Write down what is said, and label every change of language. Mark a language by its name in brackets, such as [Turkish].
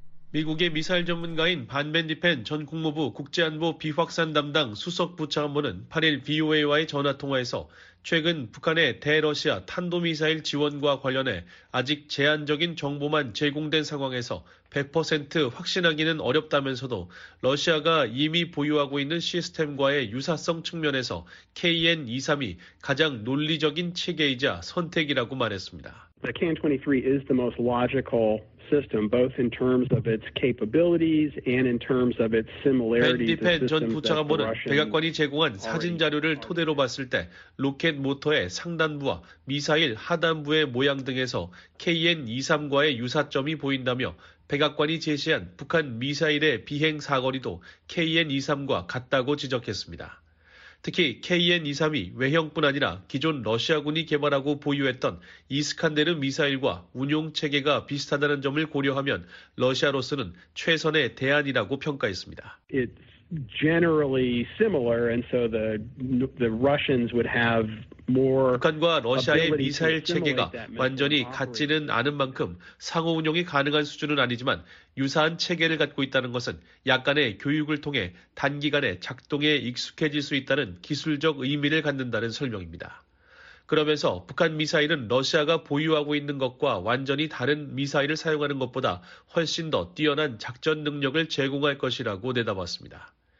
[Korean] 미국의 미사일 전문가인 반벤디펜 전 국무부 국제안보 비확산 담당 수석부차관보는 8일 VOA와의 전화통화에서 최근 북한의 대러시아 탄도미사일 지원과 관련해 아직 제한적인 정보만 제공된 상황에서 100% 확신하기는 어렵다면서도 러시아가 이미 보유하고 있는 시스템과의 유사성 측면에서 KN-23이 가장 논리적인 체계이자 선택이라고 말했습니다. [English] The KN-23 is the most logical system, both in terms of its capabilities and in terms of its similarity. [Korean] 벤디펜 전 부차관보는 백악관이 제공한 사진 자료를 토대로 봤을 때 로켓 모터의 상단부와 미사일 하단부의 모양 등에서 KN-23과의 유사점이 보인다며 백악관이 제시한 북한 미사일의 비행 사거리도 KN-23과 같다고 지적했습니다. 특히 KN-23이 외형뿐 아니라 기존 러시아군이 개발하고 보유했던 이스칸데르 미사일과 운용체계가 비슷하다는 점을 고려하면 러시아로서는 최선의 대안이라고 평가했습니다. [English] It's generally similar, and so the Russians would have more. [Korean] 북한과 러시아의 미사일 체계가 완전히 같지는 않은 만큼 상호 운용이 가능한 수준은 아니지만 유사한 체계를 갖고 있다는 것은 약간의 교육을 통해 단기간에 작동에 익숙해질 수 있다는 기술적 의미를 갖는다는 설명입니다. 그러면서 북한 미사일은 러시아가 보유하고 있는 것과 완전히 다른 미사일을 사용하는 것보다 훨씬 더 뛰어난 작전 능력을 제공할 것이라고 내다봤습니다.